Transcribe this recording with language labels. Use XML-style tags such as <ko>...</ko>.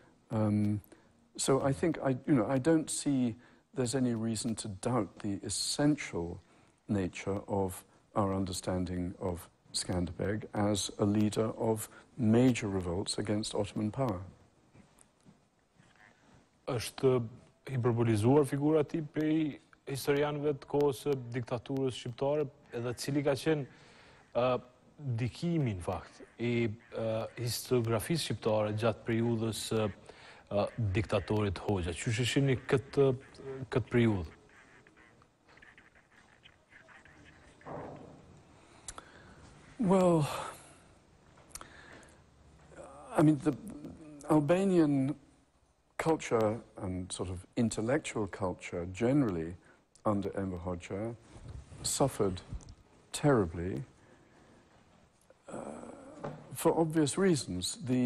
<en>So I think, I don't see there's any reason to doubt the essential nature of our understanding of Skanderbeg as a leader of major revolts against Ottoman power.</en> <sq>Është hiperbolizuar figura ti prej historianëve të kohës së diktaturës shqiptare, edhe cili ka qenë dikimi në fakt i historiografisë shqiptare gjatë periudhës së diktatorit Hoxha. Qysh e shihni këtë periudhë?</sq> <en>Well, I mean, the Albanian culture and sort of intellectual culture generally under Enver Hoxha suffered terribly for obvious reasons.</en>